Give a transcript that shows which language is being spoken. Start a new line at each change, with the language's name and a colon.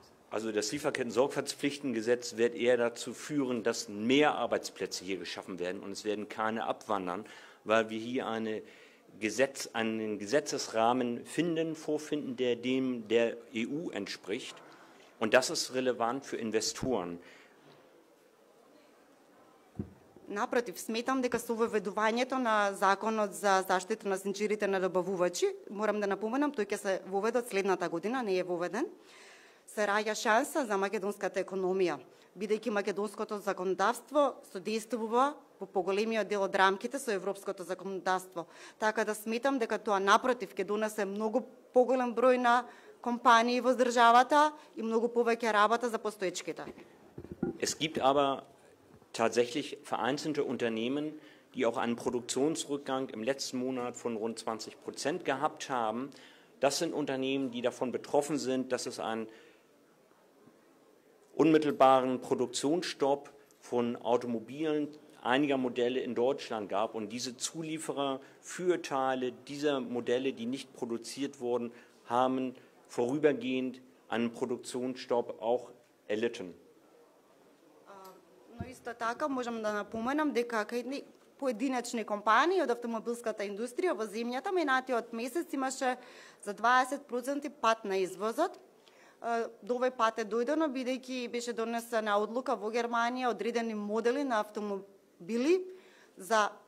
German: Also das Lieferketten-Sorgfaltspflichtengesetz wird eher dazu führen, dass mehr Arbeitsplätze hier geschaffen werden und es werden keine abwandern, weil wir hier einen Gesetzesrahmen vorfinden, der dem der EU entspricht. Und das ist relevant für Investoren.
Macedonian: Напротив, сметам дека со воведувањето на Законот за заштита на сенчирите на добавувачи, морам да напоменам, тој ќе се воведат следната година, не е воведен, се раја шанса за македонската економија, бидејќи македонското законодавство содействува по поголемиот дел од рамките со европското законодавство. Така да сметам дека тоа напротив ќе донесе многу поголем број на компании во државата и многу повеќе работа за постоечките.
German: Es gibt aber tatsächlich vereinzelte Unternehmen, die auch einen Produktionsrückgang im letzten Monat von rund 20% gehabt haben. Das sind Unternehmen, die davon betroffen sind, dass es einen unmittelbaren Produktionsstopp von Automobilen einiger Modelle in Deutschland gab und diese Zulieferer für Teile dieser Modelle, die nicht produziert wurden, haben vorübergehend einen Produktionsstopp auch erlitten.
Macedonian: Но исто така можам да напоменам дека кај поединечни компании од автомобилската индустрија во земјата минатиот месец имаше за 20% пат на извозот. До овој пат е дојдено бидејќи беше донесена одлука во Германија одредени модели на автомобили за